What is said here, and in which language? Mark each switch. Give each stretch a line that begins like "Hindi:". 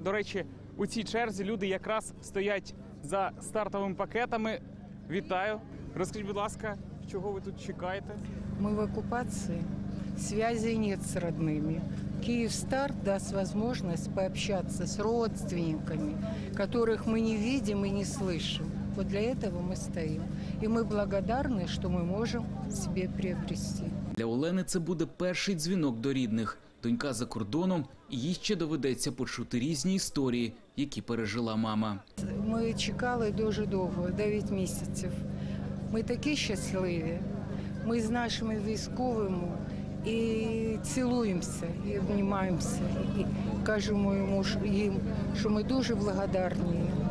Ukrainian: До речі, у цій черзі люди якраз стоять за стартовими пакетами. Вітаю. Розкажіть, будь ласка, чого ви тут чекаєте? Ми в окупації, зв'язку немає з рідними. Київстар дасть можливість спілкуватися з рідними, яких ми не бачимо і не чуємо.
Russian: Вот для этого мы стоим. И мы благодарны, что мы можем себе приобрести.
Ukrainian: Для Олени це буде перший дзвінок до рідних. Донька за кордоном, і їй ще доведеться почути різні історії, які пережила мама. Ми чекали дуже довго, 9 місяців. Ми такі щасливі. Ми з нашими військовими і цілуємося, і обнімаємося, і кажемо йому, їм, що ми дуже благодарні.